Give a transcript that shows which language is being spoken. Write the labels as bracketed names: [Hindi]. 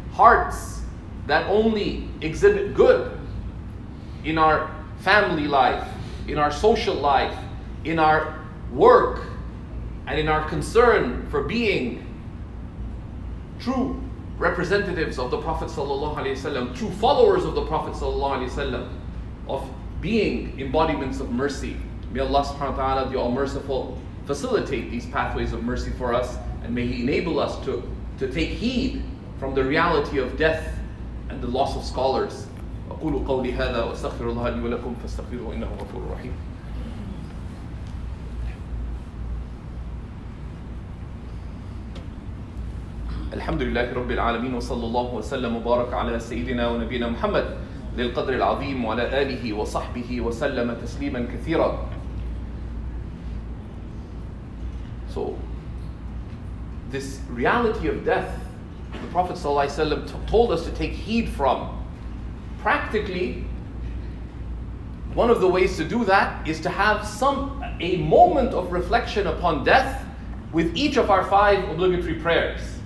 [English] Hearts that only exhibit good in our family life, in our social life, in our work, and in our concern for being true representatives of the Prophet sallallahu alaihi wasallam, true followers of the Prophet sallallahu alaihi wasallam, of being embodiments of mercy. May Allah subhanahu wa ta'ala, the All-Merciful, facilitate these pathways of mercy for us, and may He enable us to take heed from the reality of death and the loss of scholars. [Arabic] أقول قولي هذا وأستغفر الله لي ولكم فاستغفروه إنه غفور رحيم. الحمد لله رب العالمين وصلى الله وسلم وبارك على سيدنا ونبينا محمد للقدر العظيم وعلى آله وصحبه وسلم تسليما كثيرا. [English] So, this reality of death, the Prophet ﷺ told us to take heed from. Practically, one of the ways to do that is to have a moment of reflection upon death with each of our five obligatory prayers.